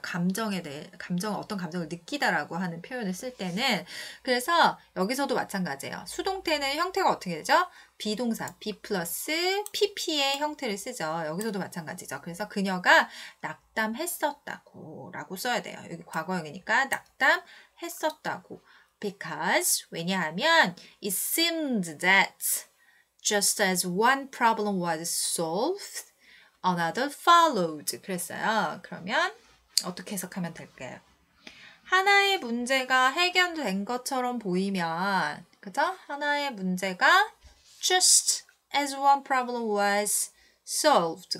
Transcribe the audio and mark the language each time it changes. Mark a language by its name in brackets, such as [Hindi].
[Korean] 감정에 대해 감정 어떤 감정을 느끼다라고 하는 표현을 쓸 때는 그래서 여기서도 마찬가지예요. 수동태는 형태가 어떻게 되죠? 비동사 be 플러스 PP의 형태를 쓰죠. 여기서도 마찬가지죠. 그래서 그녀가 낙담했었다고 라고 써야 돼요. 여기 과거형이니까 낙담했었다고 [English] because 왜냐하면 it seemed that Just as one problem was solved, another followed. [Korean] 그랬어요. 그러면 어떻게 해석하면 될까요? 하나의 문제가 해결된 것처럼 보이면, 그죠? 하나의 문제가 [English] just as one problem was solved.